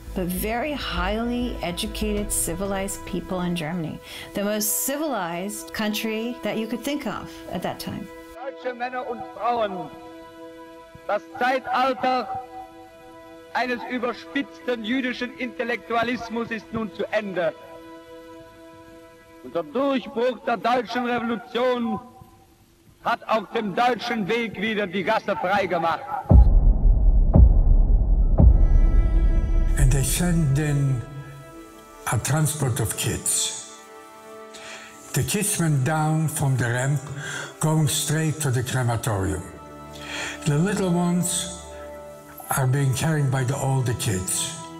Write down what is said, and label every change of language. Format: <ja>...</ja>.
<en>but very highly educated, civilized people in Germany. The most civilized country that you could think of at that time.</en> <de>Deutsche Männer und Frauen, das Zeitalter eines überspitzten jüdischen Intellektualismus ist nun zu Ende. Und der Durchbruch der deutschen Revolution hat auf dem deutschen Weg wieder die Gasse freigemacht.</de> <en>And they send in a transport of kids. The kids went down from the ramp, going straight to the crematorium. The little ones are being carried by the older kids.</en>